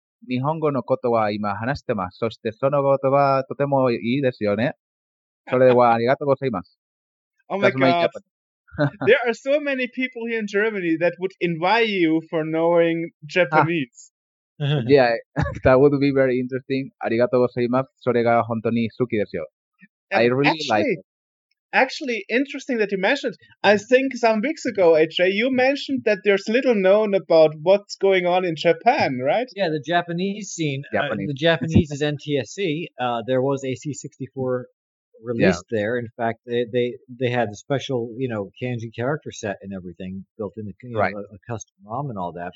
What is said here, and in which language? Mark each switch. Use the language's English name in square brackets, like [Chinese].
[Japanese] 日本語のことは今話してます。そしてその言葉はとてもいいですよね。それではありがとうございます。 [English] Oh my God. There are so many people here in Germany that would invite you for knowing Japanese. Yeah, that would be very interesting. [Japanese] ありがとうございます。それが本当に好きですよ。 [English] I really like it. Actually, interesting that you mentioned. I think some weeks ago, AJ, you mentioned that there's little known about what's going on in Japan, right? Yeah, the Japanese scene. The Japanese is NTSC. There was a C64 released there. In fact, they had a special, you know, kanji character set and everything built in, a custom ROM and all that.